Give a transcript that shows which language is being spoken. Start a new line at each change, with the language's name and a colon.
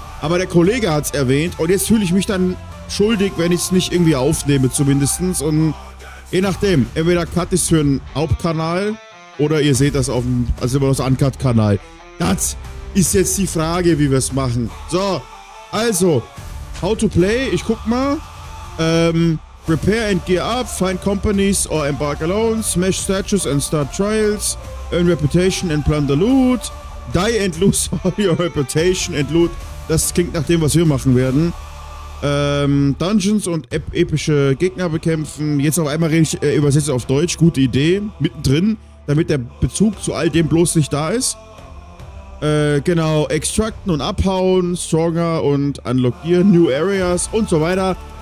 German: Aber der Kollege hat es erwähnt und jetzt fühle ich mich dann schuldig, wenn ich es nicht irgendwie aufnehme zumindestens. Und je nachdem, entweder Cut ist für einen Hauptkanal oder ihr seht das auf dem Uncut-Kanal. Das ist jetzt die Frage, wie wir es machen. So. Also,
English: how to play,
German: ich guck mal.
English: Prepare and gear up, find companies or embark alone, smash statues and start trials, earn reputation and plunder loot, die and lose all your reputation and loot.
German: Das klingt nach dem, was wir machen werden. Dungeons und epische Gegner bekämpfen. Jetzt auf einmal übersetze ich auf Deutsch, gute Idee, mittendrin, damit der Bezug zu all dem bloß nicht da ist. Genau, extracten und abhauen, stronger und unlockieren, new areas und so weiter.